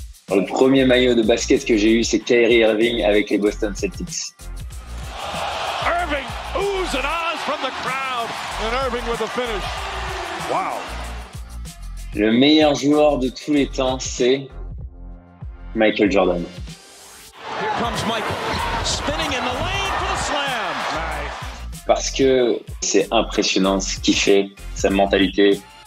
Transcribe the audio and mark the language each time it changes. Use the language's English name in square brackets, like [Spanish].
[French] Le premier maillot de basket que j'ai eu, c'est Kyrie Irving avec les Boston Celtics. [English] Irving ooze and ahs from the crowd, and Irving with a finish. Wow. [French] Le meilleur joueur de tous les temps, c'est Michael Jordan. [English] Here comes Michael, spinning in the lane for the slam. Nice. [French] Parce que c'est impressionnant ce qu'il fait, sa mentalité.